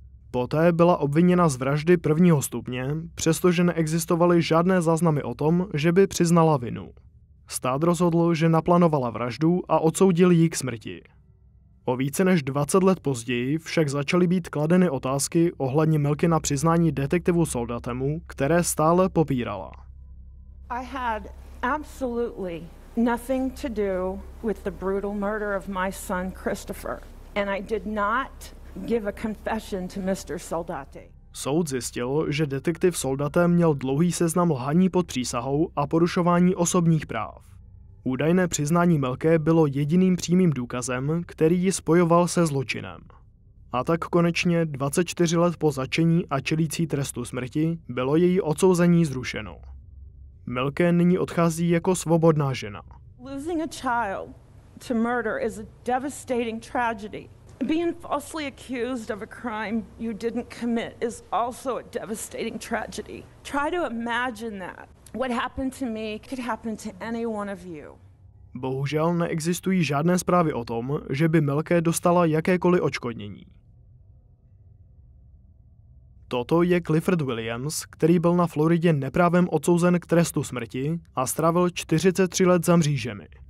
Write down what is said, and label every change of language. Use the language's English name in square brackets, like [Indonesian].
[Czech] Poté byla obviněna z vraždy prvního stupně, přestože neexistovaly žádné záznamy o tom, že by přiznala vinu. Stát rozhodl, že naplánovala vraždu a odsoudil ji k smrti. O více než 20 let později však začaly být kladeny otázky ohledně Milky na přiznání detektivu Soldatemu, které stále popírala. [English] I had absolutely nothing to do with the brutal murder of my son Christopher, and I did not give a confession to Mr. Soldate. [Czech] Soud zjistil, že detektiv Soldate měl dlouhý seznam lhaní pod přísahou a porušování osobních práv. Údajné přiznání Milke bylo jediným přímým důkazem, který ji spojoval se zločinem. A tak konečně 24 let po zatčení a čelící trestu smrti bylo její odsouzení zrušeno. Milke nyní odchází jako svobodná žena. [English] Losing a child to murder is a devastating tragedy. Being falsely accused of a crime you didn't commit is also a devastating tragedy. Try to imagine that. What happened to me could happen to any one of you. [Czech] Bohužel neexistují žádné zprávy o tom, že by Milke dostala jakékoliv odškodnění. Toto je Clifford Williams, který byl na Floridě neprávem odsouzen k trestu smrti a strávil 43 let za mřížemi.